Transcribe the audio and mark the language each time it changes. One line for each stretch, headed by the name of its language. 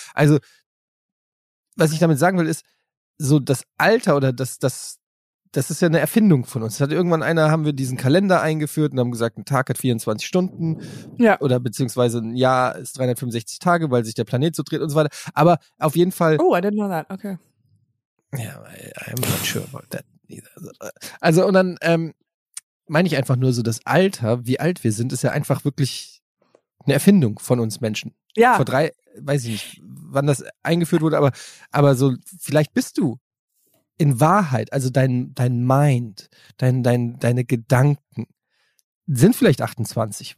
German: Also, was ich damit sagen will, ist, so das Alter oder das ist ja eine Erfindung von uns. Das hat irgendwann einer, haben wir diesen Kalender eingeführt und haben gesagt, ein Tag hat 24 Stunden. Ja. Oder beziehungsweise ein Jahr ist 365 Tage, weil sich der Planet so dreht und so weiter. Aber auf jeden Fall...
English: Oh, I didn't know that. Okay. Ja, I'm not sure about that either.
German: Also, und dann meine ich einfach nur so, das Alter, wie alt wir sind, ist ja einfach wirklich eine Erfindung von uns Menschen. Ja. Vor drei, weiß ich nicht, wann das eingeführt wurde, aber so, vielleicht bist du in Wahrheit, also dein Mind, deine Gedanken sind vielleicht 28.